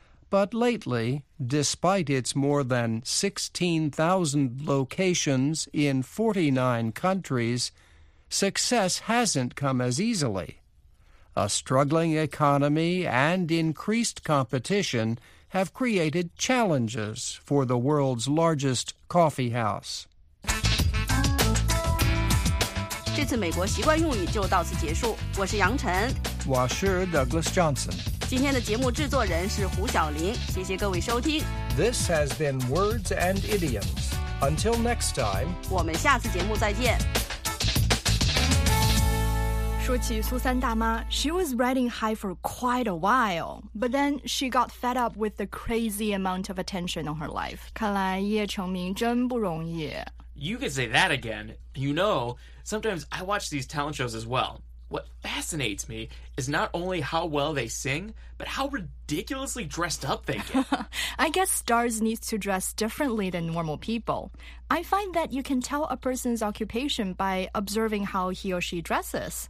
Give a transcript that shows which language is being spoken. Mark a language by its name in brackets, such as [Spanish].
[English] But lately, despite its more than 16,000 locations in 49 countries, success hasn't come as easily. A struggling economy and increased competition have created challenges for the world's largest coffee house. [Chinese] 这次美国习惯用语就到此结束。我是杨晨，我是 Douglas Johnson。今天的节目制作人是胡晓林。谢谢各位收听。 [English] This has been Words and Idioms. Until next time, [Chinese] 我们下次节目再见。说起苏三大妈, [English] she was riding high for quite a while, but then she got fed up with the crazy amount of attention on her life. [Chinese] 看来一夜成名真不容易。 [English] You could say that again. You know, sometimes I watch these talent shows as well. What fascinates me is not only how well they sing, but how ridiculously dressed up they get. I guess stars need to dress differently than normal people. I find that you can tell a person's occupation by observing how he or she dresses.